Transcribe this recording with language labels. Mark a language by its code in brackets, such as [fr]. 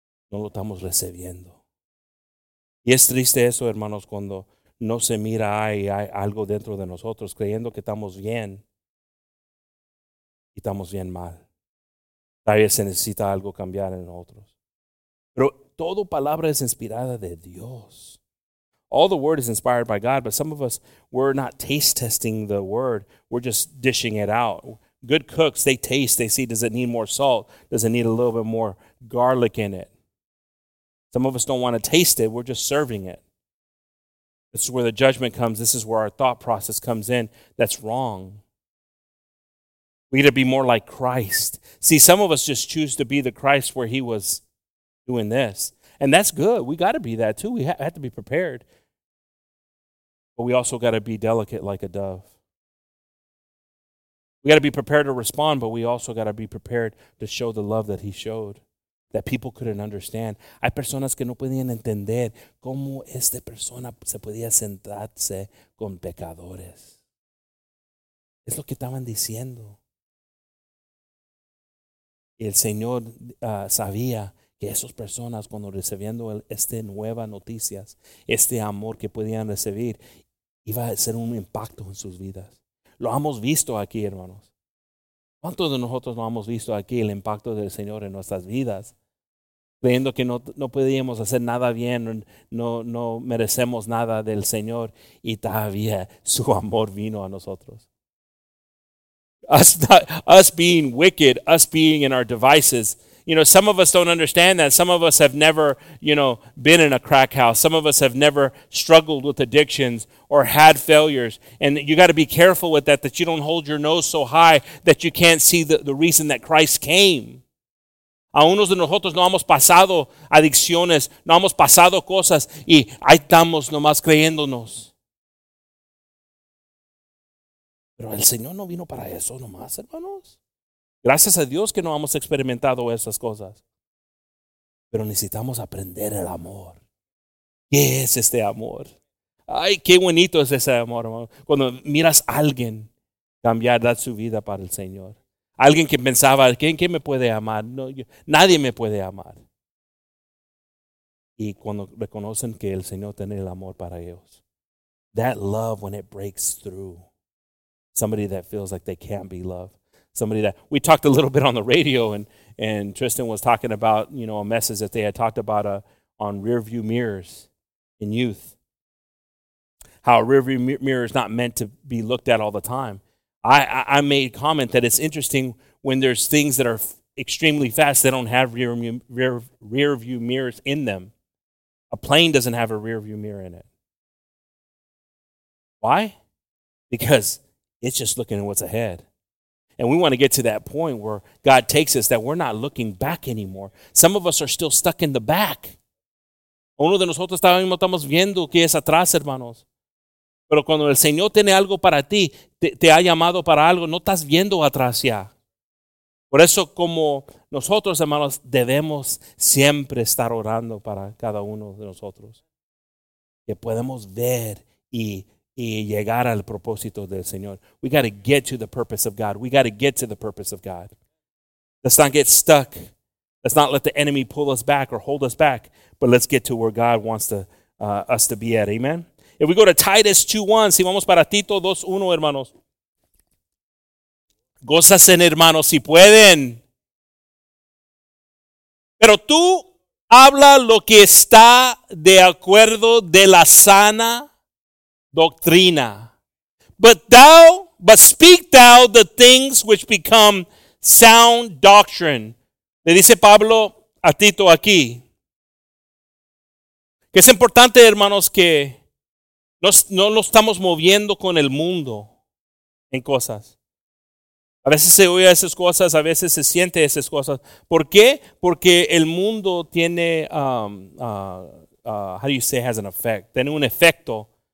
[es] No lo estamos recibiendo. Y es triste eso, hermanos, cuando no se mira, hay algo dentro de nosotros, creyendo que estamos bien y estamos bien mal. Tal vez se necesita algo cambiar en otros. Pero todo palabra es inspirada de Dios. [en] All the word is inspired by God, but some of us, we're not taste testing the word. We're just dishing it out. Good cooks, they taste, they see, does it need more salt? Does it need a little bit more garlic in it? Some of us don't want to taste it. We're just serving it. This is where the judgment comes. This is where our thought process comes in. That's wrong. We need to be more like Christ. See, some of us just choose to be the Christ where he was doing this. And that's good. We got to be that too. We have to be prepared. But we also got to be delicate like a dove. We got to be prepared to respond, but we also got to be prepared to show the love that he showed, that people couldn't understand. [es] Hay personas que no podían entender cómo esta persona se podía sentarse con pecadores. Es lo que estaban diciendo. Y el Señor sabía que esas personas, cuando recibiendo estas nuevas noticias, este amor que podían recibir, iba a ser un impacto en sus vidas. Lo hemos visto aquí, hermanos. ¿Cuántos de nosotros no hemos visto aquí el impacto del Señor en nuestras vidas? Creyendo que no podíamos hacer nada bien, no merecemos nada del Señor, y todavía su amor vino a nosotros. [en] Us being wicked, us being in our devices. You know, some of us don't understand that. Some of us have never, you know, been in a crack house. Some of us have never struggled with addictions or had failures. And you got to be careful with that you don't hold your nose so high that you can't see the reason that Christ came. [es] A unos de nosotros no hemos pasado adicciones, no hemos pasado cosas, y ahí estamos nomás creyéndonos. Pero el Señor no vino para eso nomás, hermanos. Gracias a Dios que no hemos experimentado esas cosas. Pero necesitamos aprender el amor. ¿Qué es este amor? Ay, qué bonito es ese amor, hermano. Cuando miras a alguien cambiar, dar su vida para el Señor. Alguien que pensaba, ¿quién me puede amar? No, nadie me puede amar. Y cuando reconocen que el Señor tiene el amor para ellos. [en] That love when it breaks through. Somebody that feels like they can't be loved. Somebody that, we talked a little bit on the radio, and Tristan was talking about, you know, a message that they had talked about on rear view mirrors in youth. How a rear view mirror is not meant to be looked at all the time. I made comment that it's interesting when there's things that are extremely fast, they don't have rear view mirrors in them. A plane doesn't have a rear view mirror in it. Why? Because it's just looking at what's ahead. And we want to get to that point where God takes us, that we're not looking back anymore. Some of us are still stuck in the back. [es] Uno de nosotros estamos viendo que es atrás, hermanos. Pero cuando el Señor tiene algo para ti, te ha llamado para algo, no estás viendo atrás ya. Por eso, como nosotros, hermanos, debemos siempre estar orando para cada uno de nosotros. Que podemos ver y llegar al propósito del Señor. [en] We got to get to the purpose of God. We got to get to the purpose of God. Let's not get stuck. Let's not let the enemy pull us back or hold us back. But let's get to where God wants us to be at. Amen? If we go to Titus 2:1, [es] si vamos para Tito 2:1, hermanos. Gozas en hermanos, si pueden. Pero tú habla lo que está de acuerdo de la sana doctrina. [en] But speak thou the things which become sound doctrine. [es] Le dice Pablo a Tito aquí. Que es importante, hermanos, que no nos estamos moviendo con el mundo en cosas. A veces se oye esas cosas, a veces se siente esas cosas. ¿Por qué? Porque el mundo tiene, [en] has an effect. [es] Tiene un efecto.